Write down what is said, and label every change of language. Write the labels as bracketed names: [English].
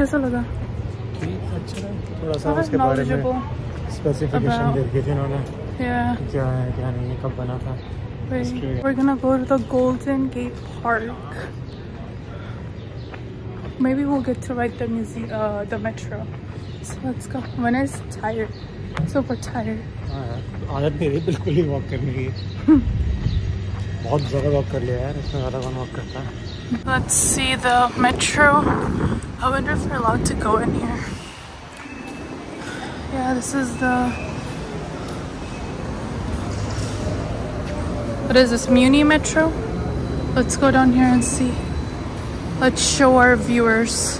[Hindi] थोड़ा सा उसके बारे में स्पेसिफिकेशन दे रखी थी उन्होंने क्या है क्या नहीं कब बना था. [English] We're gonna go to the Golden Gate Park. Maybe we'll get to ride the museum, the metro. So let's go. When is tired? Super tired. [Hindi] आदत नहीं रही बिल्कुल ही वॉक करने की. बहुत ज़्यादा वॉक कर लिया है इसमें ज़्यादा कौन वॉक करता है. [English] Let's see the metro. I wonder if we're allowed to go in here. Yeah, this is the. What is this, Muni Metro? Let's go down here and see. Let's show our viewers.